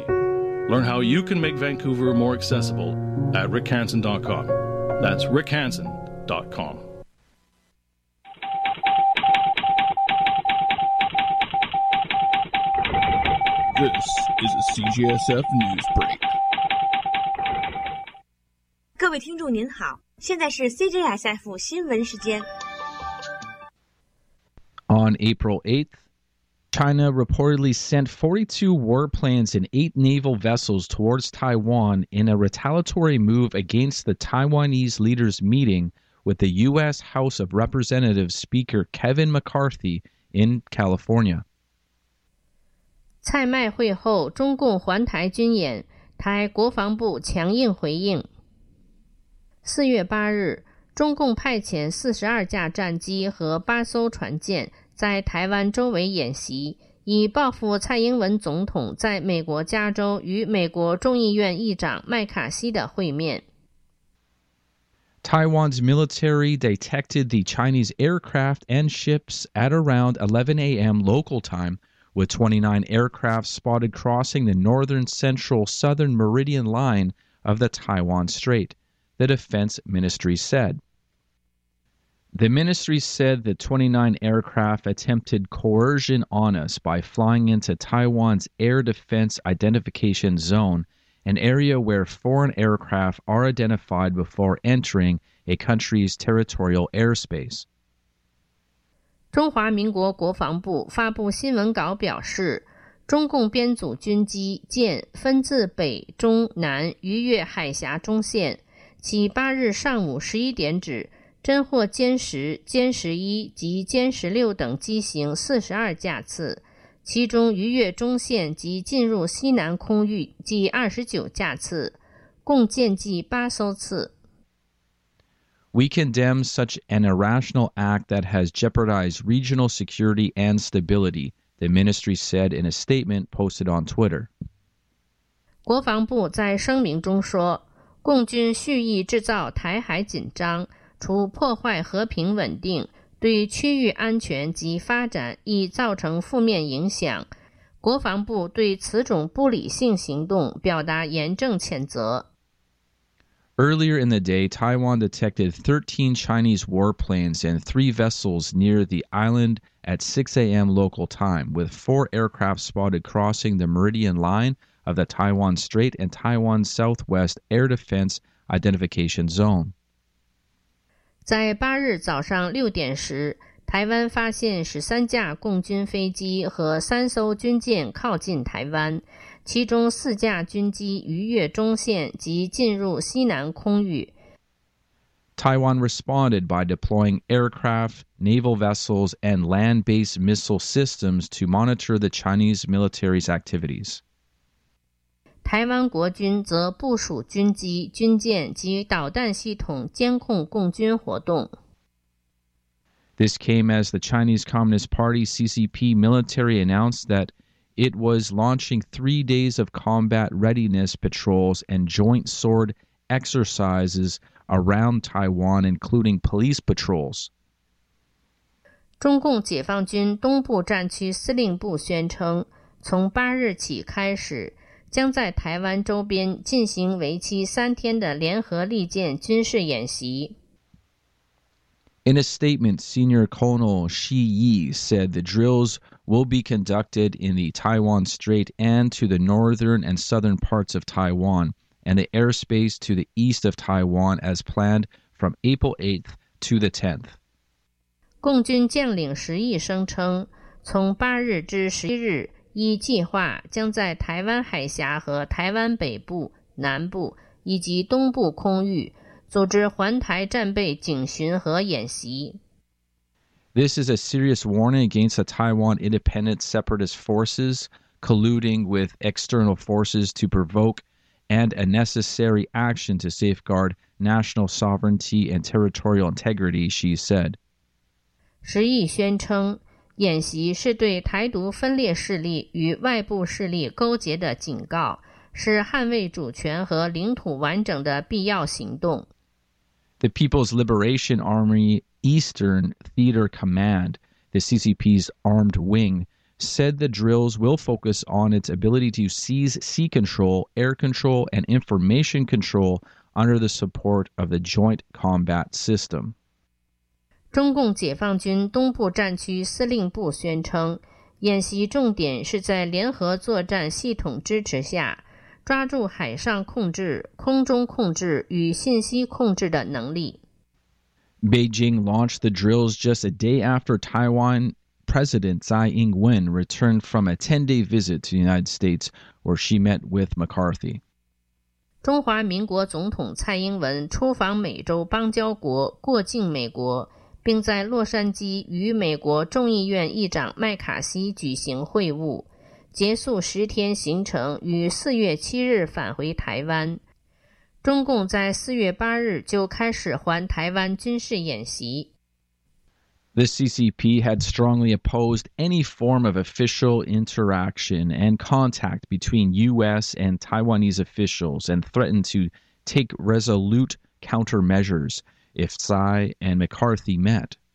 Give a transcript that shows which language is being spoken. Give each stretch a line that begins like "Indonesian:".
English: Learn how you can make Vancouver more accessible at rickhansen.com. That's rickhansen.com. This is a CGSF News Break.
Chinese: 各位听众您好，现在是 CGSF 新闻时间。
English: On April 8th, China reportedly sent 42 warplanes and 8 naval vessels towards Taiwan in a retaliatory move against the Taiwanese leaders' meeting with the U.S. House of Representatives Speaker Kevin McCarthy in California.
Chinese: 蔡麦会后，中共环台军演，台国防部强硬回应。 4月8日，中共派遣42架战机和8艘船舰在台湾周围演习，以报复蔡英文总统在美国加州与美国众议院议长麦卡锡的会面。
English: Taiwan's military detected the Chinese aircraft and ships at around 11 a.m. local time, with 29 aircraft spotted crossing the northern central southern meridian line of the Taiwan Strait, the Defense Ministry said. The ministry said that 29 aircraft attempted coercion on us by flying into Taiwan's air defense identification zone, an area where foreign aircraft are identified before entering a country's territorial airspace.
Chinese: 中华民国国防部发布新闻稿表示，中共编组军机舰分自北、中、南逾越海峡中线，起8日上午11点止，侦获歼10、歼11及歼16等机型42架次，其中逾越中线及进入西南空域计29架次，共舰计8艘次。
English: We condemn such an irrational act that has jeopardized regional security and stability, the ministry said in a statement posted on Twitter.
Chinese: 国防部在声明中说，共军蓄意制造台海紧张，除破坏和平稳定，对区域安全及发展亦造成负面影响。国防部对此种不理性行动表达严正谴责。
English: Earlier in the day, Taiwan detected 13 Chinese warplanes and 3 vessels near the island at 6 a.m. local time, with 4 aircraft spotted crossing the meridian line of the Taiwan Strait and Taiwan's Southwest Air Defense Identification Zone.
Chinese: 在8日早上6点时，台湾发现13架共军飞机和3艘军舰靠近台湾，其中4架军机逾越中线及进入西南空域。
English: Taiwan responded by deploying aircraft, naval vessels, and land-based missile systems to monitor the Chinese military's activities.
Chinese: 台湾国军则部署军机、军舰及导弹系统监控共军活动。
English: This came as the Chinese Communist Party CCP military announced that it was launching 3 days of combat readiness patrols and joint sword exercises around Taiwan, including police patrols.
Chinese: 中共解放军东部战区司令部宣称，从8日起开始，将在台湾周边进行为期3天的联合利剑军事演习。
English: In a statement, Senior Colonel Shi Yi said the drills will be conducted in the Taiwan Strait and to the northern and southern parts of Taiwan, and the airspace to the east of Taiwan as planned from April 8th to the 10th.
Chinese: 共军将领石毅声称，从8日至11日，依计划将在台湾海峡和台湾北部、南部以及东部空域组织环台战备警巡和演习。
English: This is a serious warning against the Taiwan independent separatist forces colluding with external forces to provoke and a necessary action to safeguard national sovereignty and territorial integrity, she said.
Chinese: 石毅宣称，演习是对台独分裂势力与外部势力勾结的警告，是捍卫主权和领土完整的必要行动。
English: The People's Liberation Army Eastern Theater Command, the CCP's armed wing, said the drills will focus on its ability to seize sea control, air control, and information control under the support of the Joint Combat System.
Chinese: 中共解放军东部战区司令部宣称，演习重点是在联合作战系统支持下抓住海上控制、空中控制与信息控制的能力。
English: Beijing launched the drills just a day after Taiwan President Tsai Ing-wen returned from a 10-day visit to the United States, where she met with McCarthy.
Chinese: 中华民国总统蔡英文出访美洲邦交国，过境美国，并在洛杉矶与美国众议院议长麦卡锡举行会晤。结束十天行程，于四月七日返回台湾。中共在四月八日就开始环台湾军事演习。
English: The CCP had strongly opposed any form of official interaction and contact between U.S. and Taiwanese officials and threatened to take resolute countermeasures if Tsai and McCarthy met.